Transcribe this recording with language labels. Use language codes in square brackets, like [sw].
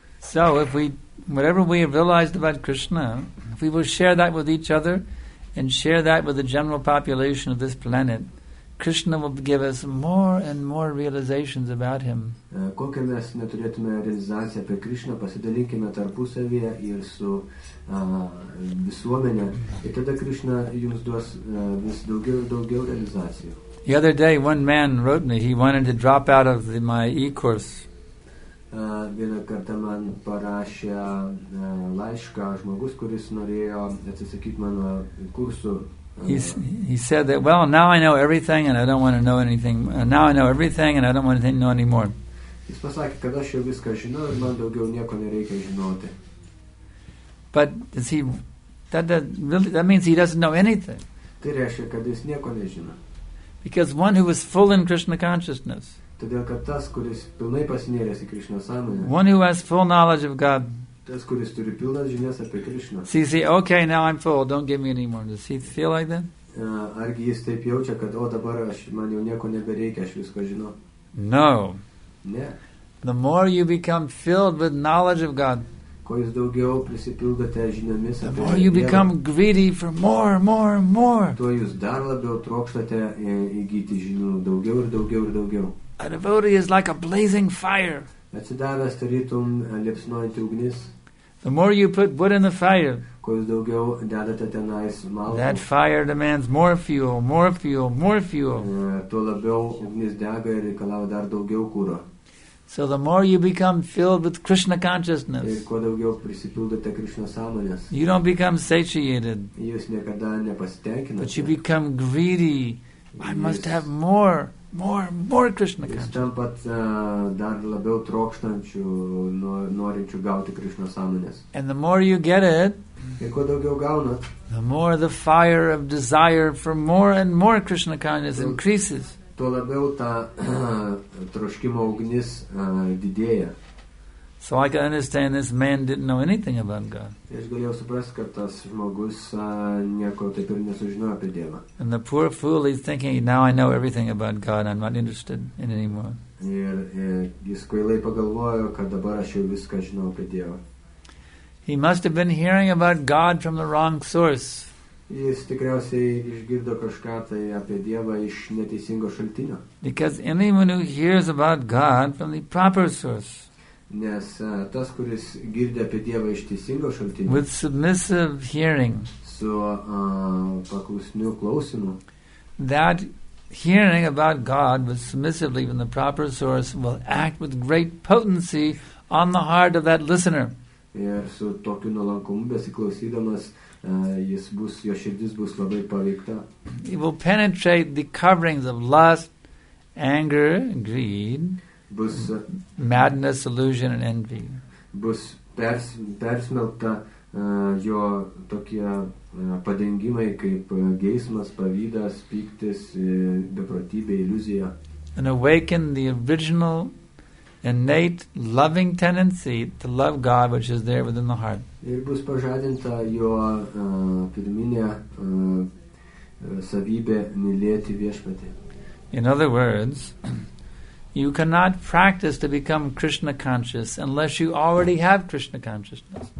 [en] So if we, whatever we have realized about Krishna, if we will share that with each other and share that with the general population of this planet, Krishna will give us more and more realizations about him. [lt] Kokią mes neturėtume realizaciją apie Krishna, pasidalinkime tarpusavyje ir su visuomenė. Ir tada Krishna jums duos vis daugiau ir daugiau realizacijų. [en] The other day one man wrote me, he wanted to drop out of my e-course. [lt] Vieną kartą man parašė laišką žmogus, kuris norėjo atsisakyti mano kursų. [en] He said that, well, now I know everything and I don't want to know anything. Now I know everything and I don't want to know anymore. [lt] Jis pasakė, kad aš jau viską žinau ir man daugiau nieko nereikia žinoti. [en] But does he, that really, that means he doesn't know anything. [lt] Tai reiškia, kad jis nieko nežino. [en] Because one who is full in Krishna consciousness, [lt] todėl kad tas, kuris pilnai pasinėrės į Krishna sąmonę, [en] one who has full knowledge of God, [lt] tas, kuris turi pilnas žinias apie Krishna. [en] See, okay, now I'm full, don't give me any more. Does he feel like that? [lt] Argi jis taip jaučia, kad, o dabar aš, man jau nieko nebereikia, aš visko žinau. [en] No. [lt] Ne. [en] The more you become filled with knowledge of God, [lt] kuo jūs daugiau prisipildote žiniomis apie Dievą, [en] the more you become greedy for more, more, more. [lt] Tuo jūs dar labiau trokštate įgyti žinių daugiau ir daugiau ir daugiau. [en] A devotee is like a blazing fire. [lt] Atsidavęs tarytum liepsnojantį ugnis. [en] The more you put wood in the fire, [lt] kuo jūs daugiau dedate tenais malkų, [en] that fire demands more fuel, more fuel, more fuel. [lt] Tuo labiau ugnis dega ir reikalavo dar daugiau kūro. [en] So the more you become filled with Krishna consciousness, [lt] ir kuo daugiau prisipildote Krishna sąmonės, [en] you don't become satiated, [lt] jūs niekada nepasitenkinate, [en] but you become greedy. I must have more. More, more Krishna consciousness. [lt] Dar labiau trokštančių, norinčių gauti Krishna sąmonės. [en] And the more you get it, [lt] ir kuo daugiau gaunat, [en] the more the fire of desire for more and more Krishna consciousness increases. [lt] Tuo labiau ta troškimo ugnis didėja. [en] So I can understand this man didn't know anything about God. [lt] Aš galėjau suprasti, kad tas žmogus nieko taip ir nesužinojo apie Dievą. [en] And the poor fool is thinking, now I know everything about God, I'm not interested in anymore. [lt] Ir jis kvailai pagalvojo, kad dabar aš jau viską žinau apie Dievą. [en] He must have been hearing about God from the wrong source. [lt] Jis tikriausiai išgirdo kažką tai apie Dievą iš neteisingo šaltinio. [en] Because anyone who hears about God from the proper source, [lt] nes tas, kuris girdė apie Dievą iš teisingo šaltinio, [en] with submissive hearing, [lt] su paklusniu klausimu, [en] that hearing about God with submissively from the proper source will act with great potency on the heart of that listener. [lt] Ir su tokiu nuolankumu besiklausydamas, jis bus, jo širdis bus labai paveikta. [en] He will penetrate the coverings of lust, anger, greed, [lt] bus, [en] madness, illusion and envy. [lt] Bus persmelta jo tokie padengimai kaip geismas, pavydas, pyktis, beprotybė, iliuzija. [en] And awaken the original innate loving tendency to love God which is there within the heart. [lt] Ir bus pažadinta jo pirminė savybė mylėti Viešpatį. [en] In other words, you cannot practice to become Krishna conscious unless you already have Krishna consciousness.